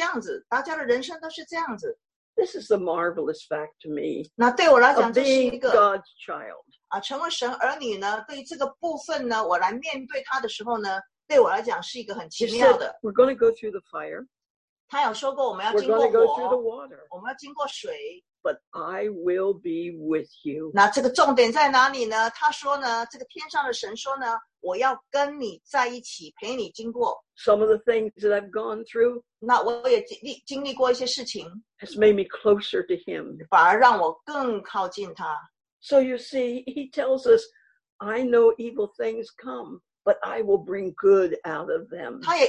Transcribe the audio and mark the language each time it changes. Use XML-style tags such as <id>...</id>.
<zh>身体本身呢，既然是要归土的，好，那人生就是这样子，大家的人生都是这样子。</zh> <en>This is the marvelous fact to me.</en> <zh>那对我来讲，这是一个</zh> <en>God's child.</en> <zh>成为神儿女呢，对于这个部分呢，我来面对他的时候呢，对我来讲是一个很奇妙的。</zh> <en>We're going to go through the fire.</en> <zh>他有说过我们要经过火。</zh> <en>We're going to go through the water.</en> <zh>我们要经过水。</zh> <en>But I will be with you.</en> <zh>那这个重点在哪里呢？他说呢，这个天上的神说呢，我要跟你在一起，陪你经过。</zh> <en>Some of the things that I've gone through.</en> <zh>那我也经历过一些事情。</zh> <en>Has made me closer to him.</en> <zh>反而让我更靠近他。</zh> <en>So you see, he tells us, I know evil things come, but I will bring good out of them.</en>